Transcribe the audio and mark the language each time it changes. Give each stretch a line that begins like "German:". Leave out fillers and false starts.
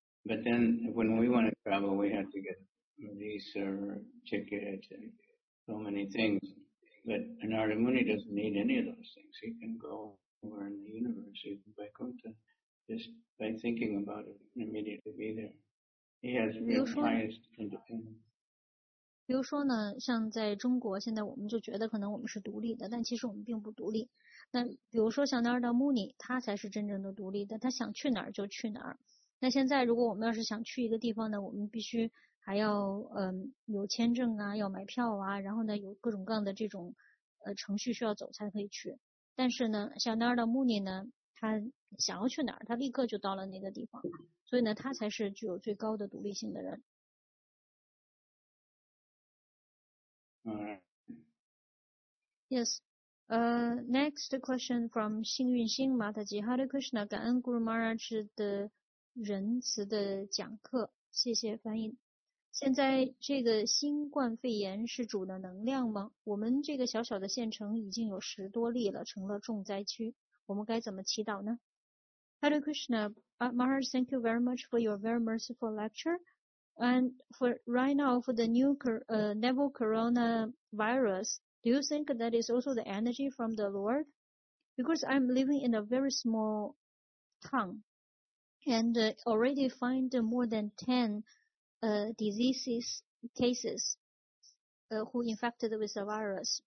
English: But then when we want to travel, we have to get a visa or ticket and so many things. But Narada Muni doesn't need any of those things. He can go anywhere in the universe, even by Kota, just by thinking about it and immediately be there. He has the highest independence.
Chinese: 比如说呢，像在中国现在我们就觉得可能我们是独立的，但其实我们并不独立。那比如说像Narada Muni，他才是真正的独立的，他想去哪儿就去哪儿。那现在如果我们要是想去一个地方呢，我们必须还要有签证啊，要买票啊，然后呢有各种各样的这种程序需要走才可以去。但是呢像Narada Muni呢，他想要去哪儿他立刻就到了那个地方，所以呢他才是具有最高的独立性的人。
English: Yes. Next question from 幸运星 Mataji.
Chinese: Hare Krishna, 感恩 Guru Maharaj 的仁慈的讲课，谢谢翻译。现在这个新冠肺炎是主的能量吗？我们这个小小的县城已经有十多例了，成了重灾区，我们该怎么祈祷呢？
English: Hare Krishna, Maharaj, thank you very much for your very merciful lecture. And for right now, for the new novel coronavirus, do you think that is also the energy from the Lord? Because I'm living in a very small town, and already find more than 10 diseases cases who infected with the virus.